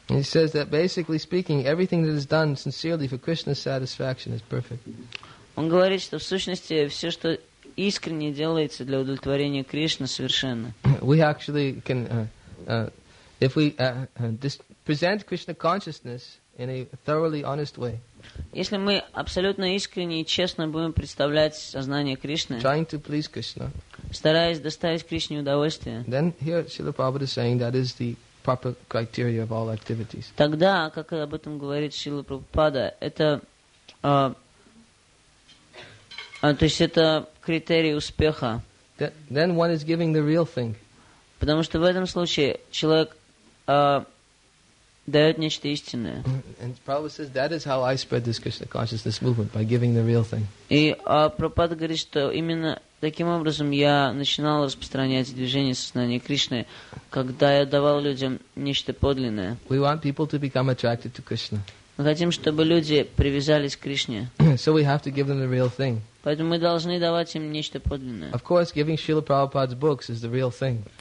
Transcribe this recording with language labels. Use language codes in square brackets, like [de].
[en] He says that basically speaking, everything that is done sincerely for Krishna's satisfaction is perfect. [ru] Он говорит, что в сущности все, что искренне делается для удовлетворения Кришны, совершенно. [en] We actually can, if we present Krishna consciousness in a thoroughly honest way. [ru] Если мы абсолютно искренне и честно будем представлять сознание Кришны, [en] trying to please Krishna, [ru] стараясь доставить Кришне удовольствие, [en] then here Srila Prabhupada is saying that is the proper criteria of all activities. [ru] Тогда, как об этом говорит Шрила Прабхупада, это то есть это критерий успеха. [en] Then one is giving the real thing. [ru] Потому что в этом случае человек дает нечто истинное. [en] And Prabhupada says that is how I spread this Krishna consciousness movement by giving the real thing. [ru] И Прабхупада говорит, что именно таким образом я начинал распространять движение сознания Кришны, когда я давал людям нечто подлинное. [en] We want people to become attracted to Krishna. [ru] Мы хотим, чтобы люди привязались к Кришне. [en] So we have to give them the real thing. [ru] Поэтому мы должны давать им нечто подлинное. [en] Of course, giving Srila Prabhupada's books is the real thing.